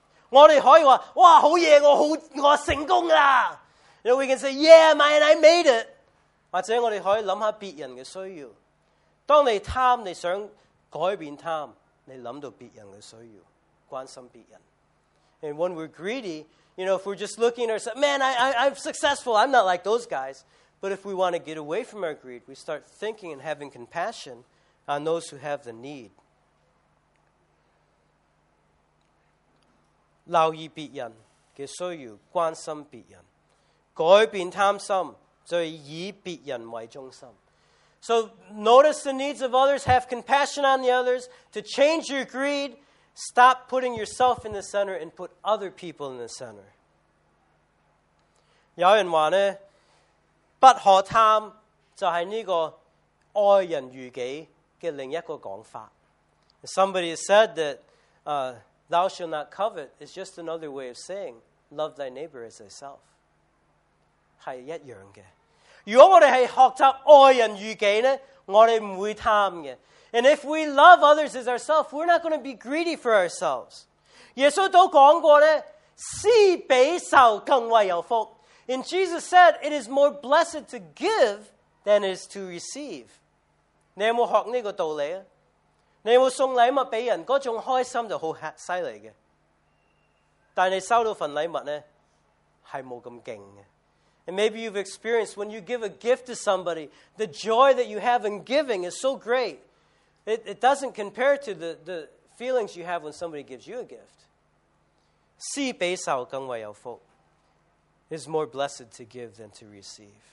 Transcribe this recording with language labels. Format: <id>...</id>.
<yue>我们可以说,哇,好厉害,我成功了。</yue> <en>You know, we can say, yeah, man, I made it.</en> <yue>或者我们可以想想别人的需要。当你贪,你想改变贪,你想到别人的需要,关心别人。</yue> <en>And when we're greedy, you know, if we're just looking at ourselves, man, I'm successful. I'm not like those guys. But if we want to get away from our greed, we start thinking and having compassion on those who have the need.</en> <yue>留意别人的需要，关心别人，改变贪心，就是以别人为中心。</yue> <en>So notice the needs of others, have compassion on the others. To change your greed, stop putting yourself in the center and put other people in the center.</en> <yue>有人话呢，不可贪就是这个爱人如己的另一个讲法。</yue> <en>Somebody said that thou shalt not covet is just another way of saying love thy neighbor as thyself.</en> <yue>是一样的。如果我们是学习爱人如己呢，我们不会贪的。</yue> <en>And if we love others as ourselves, we're not going to be greedy for ourselves.</en> <yue>耶稣都讲过呢，施比受更为有福。</yue> <en>And Jesus said, it is more blessed to give than it is to receive.</en> <yue>你有没有学这个道理？你有没有送礼物给人，那种开心就很犀利的。但你收到份礼物呢，是没那么劲的。</yue> <en>And maybe you've experienced when you give a gift to somebody, the joy that you have in giving is so great. It doesn't compare to the feelings you have when somebody gives you a gift.</en> <yue>施比受更为有福。</yue> <en>Is more blessed to give than to receive.</en>